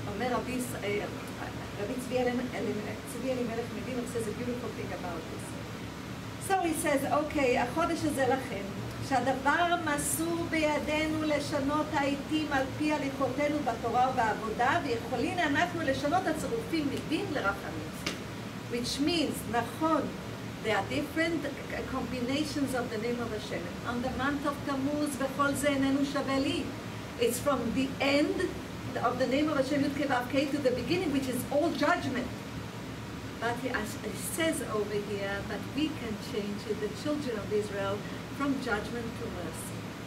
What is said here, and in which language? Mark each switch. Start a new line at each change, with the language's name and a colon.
English: Rabbi Israel, Rabbi Tzvi Melech Medina says a beautiful thing about this. So he says, okay,
Hebrew: החודש הזה לכם, שהדבר מסור בידינו לשנות העיתים על פי הליכותינו בתורה ובעבודה, ויכולים אנחנו לשנות הצירופים מדין לרחמים.
English: Which means, נכון, there are different combinations of the name of Hashem. On the month of Tammuz,
Hebrew: בכל זה איננו שווה לי.
English: It's from the end of the name of Hashem, Yud-Kev-Av-Kei, to the beginning, which is all judgment. But he says over here that we can change it, the children of Israel, from judgment to mercy.